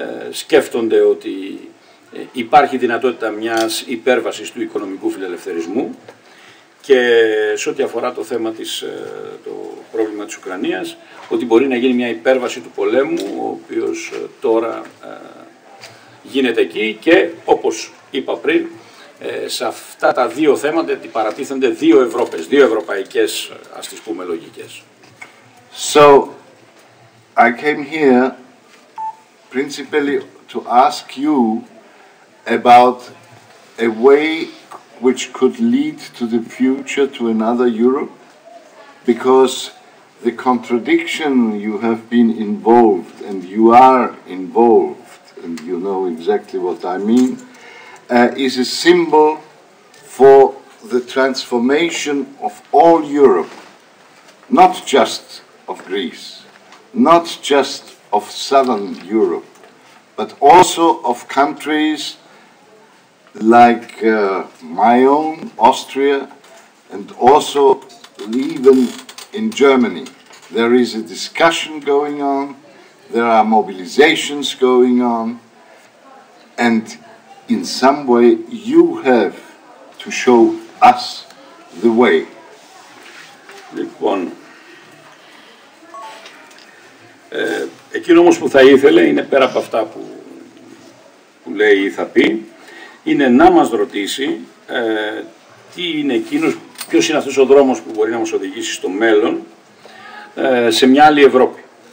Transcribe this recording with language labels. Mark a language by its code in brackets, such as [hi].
[el] σκέφτονται ότι υπάρχει δυνατότητα μιας υπέρβασης του οικονομικού φιλελευθερισμού, και σε ό,τι αφορά το θέμα της, το πρόβλημα της Ουκρανίας, ότι μπορεί να γίνει μια υπέρβαση του πολέμου, ο οποίος τώρα γίνεται εκεί, και όπως είπα πριν, σε αυτά τα δύο θέματα αντιπαρατίθενται δύο Ευρώπες, δύο ευρωπαϊκές, ας τις πούμε, λογικές. [en] So, I came here principally to ask you about a way which could lead to the future, to another Europe, because the contradiction you have been involved, and you are involved, and you know exactly what I mean, is a symbol for the transformation of all Europe, not just of Greece, not just of southern Europe, but also of countries like my own, Austria, and also even in Germany. There is a discussion going on, there are mobilizations going on, and in some way you have to show us the way. [el] Λοιπόν, εκείνο όμως που θα ήθελε είναι, πέρα από αυτά που λέει ή θα πει, είναι να μας ρωτήσει τι είναι εκείνος, ποιος είναι αυτός ο δρόμος που μπορεί να μας οδηγήσει στο μέλλον, σε μια άλλη Ευρώπη.